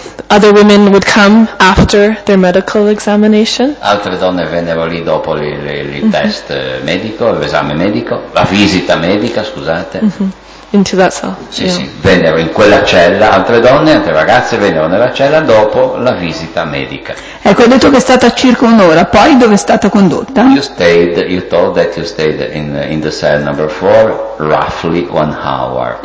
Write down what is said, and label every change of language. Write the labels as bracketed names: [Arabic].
[English] Other women would come after their medical examination. [Italian] Altre donne vennero lì dopo il test medico, l'esame medico, la visita medica, scusate. [English] Mm-hmm. Into that cell. [Italian] Sì, sì, vennero in quella cella, altre donne, altre ragazze vennero nella cella dopo la visita medica. Ecco, ha detto che è stata circa un'ora, poi dove è stata condotta? [English] You told that you stayed in the cell number 4 roughly 1 hour.